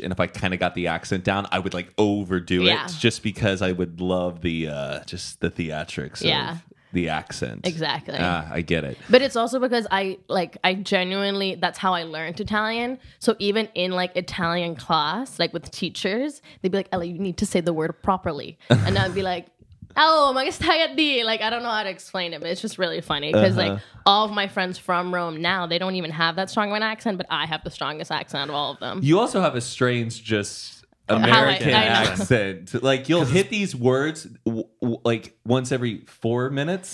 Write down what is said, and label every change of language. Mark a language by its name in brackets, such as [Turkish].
[English] And if I kind of got the accent down, I would like overdo it just because I would love the just the theatrics of the accent. Exactly. I get it. But it's also because that's how I learned Italian. So even in like Italian class, like with teachers, they'd be like, Ella, you need to say the word properly. And I'd be like, oh, [Italian] ma che stai a dire? [English] Like, I don't know how to explain it, but it's just really funny because like all of my friends from Rome now, they don't even have that strong of an accent, but I have the strongest accent of all of them. You also have a strange, just American accent. Like you'll hit these words like once every 4 minutes.